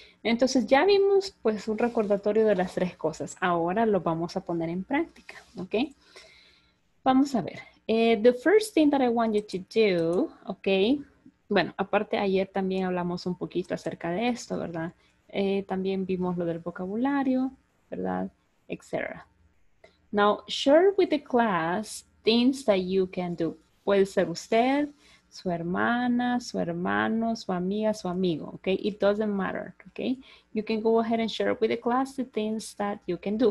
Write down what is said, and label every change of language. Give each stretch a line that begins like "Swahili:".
Spanish: Entonces ya vimos pues un recordatorio de las tres cosas. Ahora lo vamos a poner en práctica. Ok. Vamos a ver.
English: The first thing that I want you to do. Ok.
Spanish: Bueno, aparte ayer también hablamos un poquito acerca de esto, ¿verdad? También vimos lo del vocabulario, ¿verdad? Etcétera.
English: Now, share with the class things that you can do.
Spanish: Puede ser usted. su hermana, su hermano, su amiga, su amigo, okay?
English: It doesn't matter, okay? You can go ahead and share with the class the things that you can do.